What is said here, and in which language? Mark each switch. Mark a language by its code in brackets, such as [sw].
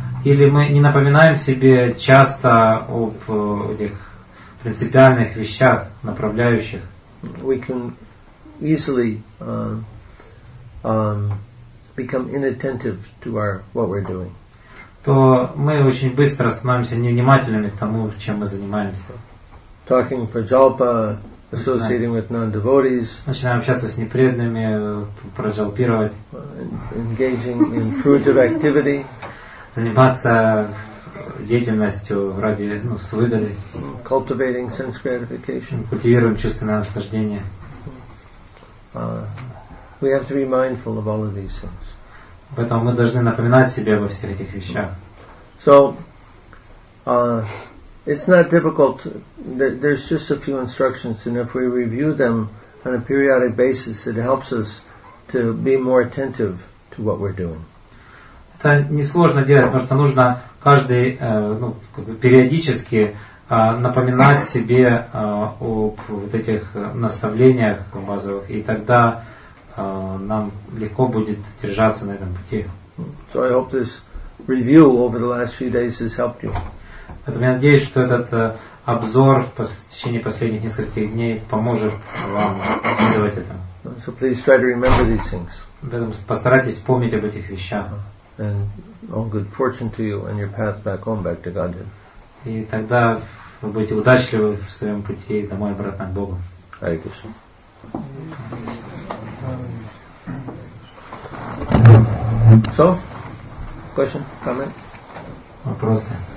[ru] Или мы не напоминаем себе часто об этих принципиальных вещах, направляющих. [en] We can easily become inattentive to our what we're doing. [ru] То мы очень быстро становимся невнимательными к тому, чем мы занимаемся. [en] Talking for Jalpa, associating with non-devotees. [ru] Начинаем общаться с непреданными, проджалпировать. [en] Engaging in fruitive activity. [ru] Заниматься деятельностью ради, ну, с выгодой. [en] Cultivating sense gratification. [ru] Культивируем чувственное наслаждение. [en] We have to be mindful of all of these things. [ru] Поэтому мы должны напоминать себе обо всех этих вещах. [en] So, it's not difficult. There's just a few instructions, and if we review them on a periodic basis, it helps us to be more attentive to what we're doing. [ru] Это несложно делать, просто нужно каждый, ну, периодически напоминать себе о вот этих наставлениях базовых, и тогда нам легко будет держаться на этом пути. [en] So I hope this review over the last few days has helped you. [ru] Поэтому я надеюсь, что этот обзор в течение последних нескольких дней поможет вам сделать это. [en] So please try to remember these things. [ru] Поэтому постарайтесь помнить об этих вещах. [en] And all good fortune to you on your path back home, back to Godhead. [ru] И тогда вы будете удачливы в своем пути домой обратно к Богу. [en] Hare Krishna. So, question, comment? [ru] Вопросы.